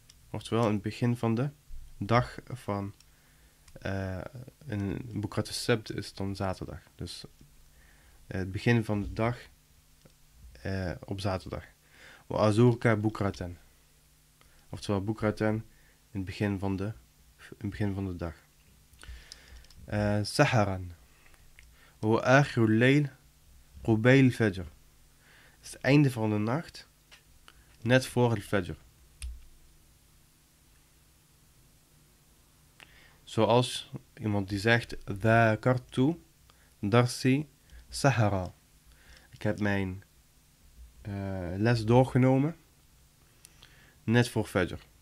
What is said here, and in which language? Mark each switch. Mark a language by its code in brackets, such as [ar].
[nl] Oftewel het begin van de dag van bukra tas-sabt is dan zaterdag. Dus het begin van de dag op zaterdag. [ar] Wa azuruka bukratan. [nl] Oftewel bukratan. In het begin van de dag. [ar] سحرا هو آخر الليل قبيل الفجر. [en] It's the end of the night, [nl] net voor het [en] fajr. [nl] Zoals iemand die zegt, [ar] dhakartu darsi sahara. [nl] Ik heb mijn les doorgenomen, net voor fajr.